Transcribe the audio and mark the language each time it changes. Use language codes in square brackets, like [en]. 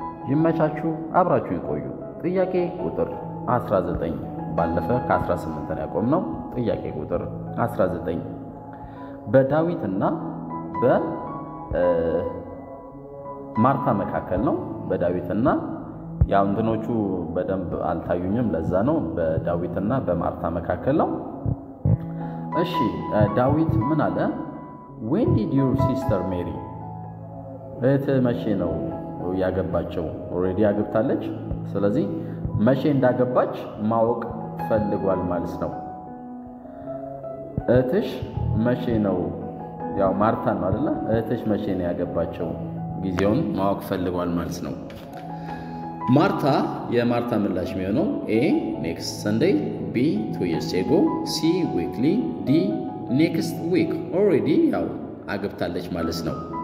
[am] ይመቻችሁ፣ አብራችሁ ይቆዩ። ጥያቄ ቁጥር 19 ባለፈ ከ18 ላይ ቆም ነው። ጥያቄ ቁጥር 19 በዳዊትና በማርታ መካከል ነው። በዳዊትና ያንተኖቹ በደንብ አልታዩኝም ለዛ ነው። በዳዊትና በማርታ መካከለ እሺ ዳዊት ምን አለ? [en] When did your sister marry? [am] እህትህ መቼ ነው ያገባቸው? ኦሬዲ አገብታለች። ስለዚህ መቼ እንዳገባች ማወቅ ፈልጓል ማለት ነው። እህትሽ መቼ ነው ያው ማርታ ነው አይደለ? እህትሽ መቼ ነው ያገባቸው? ጊዜውን ማወቅ ፈልጓል ማለት ነው። ማርታ የማርታ ምላሽ የሚሆነው [en] ኤ ኔክስት Sunday ቢ ቱ ይርስ አጎ ሲ ዊክሊ ዲ ኔክስት ዊክ [am] ኦሬዲ ያው አገብታለች ማለት ነው።